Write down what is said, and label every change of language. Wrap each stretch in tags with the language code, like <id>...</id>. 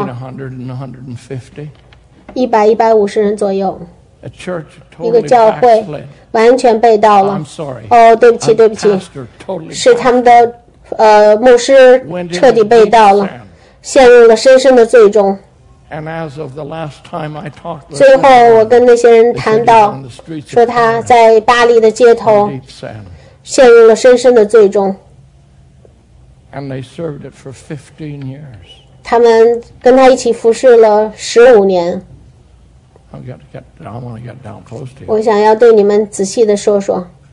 <en>Between 100 and 150.</en> <zh>100-150人左右。</zh> <en>A church totally</en> <zh>一个教会完全被盗了。</zh> <en>I'm sorry.</en> <zh>对不起，对不起。是他们的牧师彻底被盗了，陷入了深深的罪中。</zh> <en>And as of the last time I talked with,</en> <zh>最后我跟那些人谈到，说他在巴黎的街头陷入了深深的罪中。</zh> <en>And they served it for 15 years.</en> <zh>他们跟他一起服侍了15年。</zh> <en>I want to get down close to you.</en> <zh>我想要对你们仔细的说说。</zh>